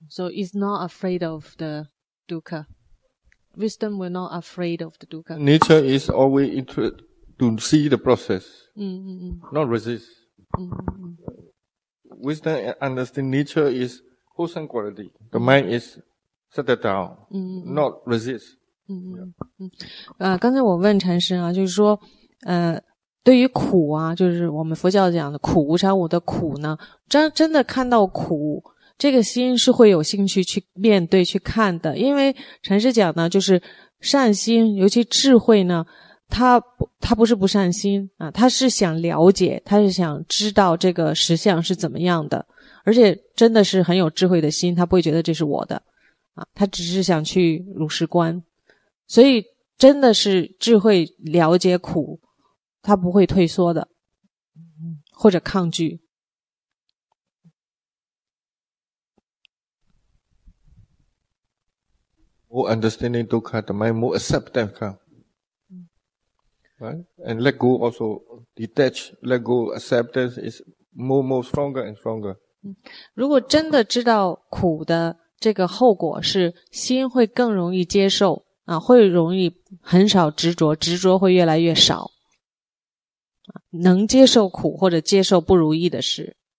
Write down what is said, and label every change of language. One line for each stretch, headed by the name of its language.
English: So it's not afraid of the dukkha. Wisdom will not afraid of the dukkha. Nature is always interested to see the process, not resist. Wisdom understand nature is wholesome quality. The mind is set it down, not resist.
Chinese: 刚才我问禅师啊，就是说，对于苦啊，就是我们佛教讲的苦，无常无的苦呢，真的看到苦，这个心是会有兴趣去面对去看的。因为禅师讲呢，就是善心，尤其智慧呢，他不是不善心啊，他是想了解，他是想知道这个实相是怎么样的，而且真的是很有智慧的心，他不会觉得这是我的啊，他只是想去如实观。所以真的是智慧了解苦，他不会退缩的，或者抗拒。
English: More understanding dukkha, the mind more accept dukkha, right? And let go also, detach, let go, acceptance is more stronger and stronger.
Chinese: 如果真的知道苦的这个后果是心会更容易接受。啊，会容易很少执着，执着会越来越少，啊，能接受苦或者接受不如意的事。